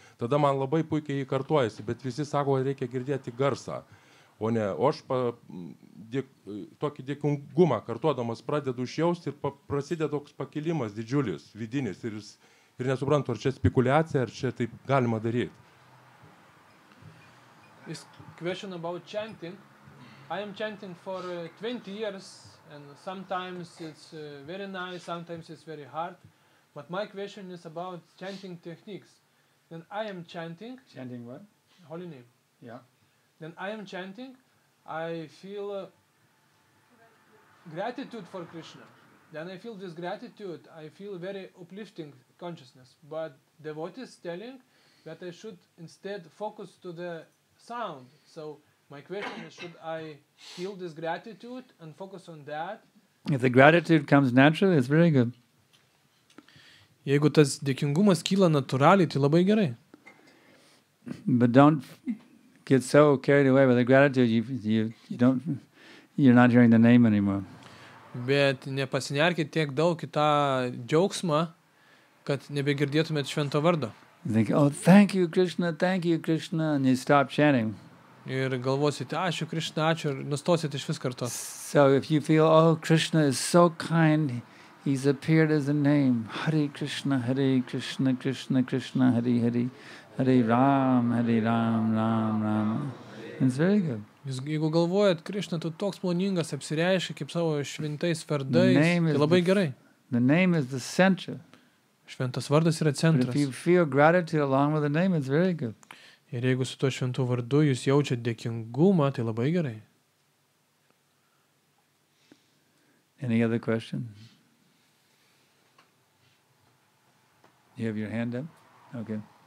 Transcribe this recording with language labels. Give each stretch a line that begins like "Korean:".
Lithuanian: Tada man labai puikiai jį kartuojasi, bet visi sako, kad reikia girdėti garsą. O ne, o aš tokį dėkingumą kartuodamas pradedu išjausti ir prasideda toks pakilimas didžiulis, vidinis. Ir nesuprantu, ar čia spekuliacija, ar čia taip galima daryti.
English: This question about chanting. I am chanting for 20 years and sometimes it's very nice, sometimes it's very hard. But my question is about chanting techniques. Then I am chanting. Chanting what? Holy name. Yeah. Then I am chanting, I feel gratitude for Krishna. Then I feel this gratitude, I feel very uplifting consciousness. But devotees telling that I should instead focus to the sound. So my question is, should I feel this gratitude and focus on that? If the gratitude comes naturally, it's very good.
Lithuanian: Jeigu tas dėkingumas kyla natūraliai, tai labai gerai.
English: But don't get so carried away with the gratitude you're not hearing the name anymore.
Lithuanian: Bet nepasinerkit tiek daug į tą džiaugsmą, kad nebegirdėtumėt švento vardo.
English: Think, oh, thank you, Krishna, and you stop chanting.
Lithuanian: Ir galvosite, ačiū, Krishna, ačiū, ir nustosite iš vis karto.
English: So if you feel, oh, Krishna is so kind, he's appeared as a name. Hare Krishna, Hare Krishna, Krishna, Krishna, Hare Hare, Hare Ram, Ram, Ram. It's very good.
Lithuanian: Jeigu galvojat, Krishna, tu toks moningas, apsireiški kaip savo šventais vardais, tai labai gerai.
English: The name is the center.
Lithuanian: Šventas vardas yra centras.
English: But if you feel gratitude along with the name, it's very good.
Lithuanian: Ir jeigu su to šventu vardu jūs jaučiat dėkingumą, tai labai gerai.
English: Any other question? You have your hand up? Okay.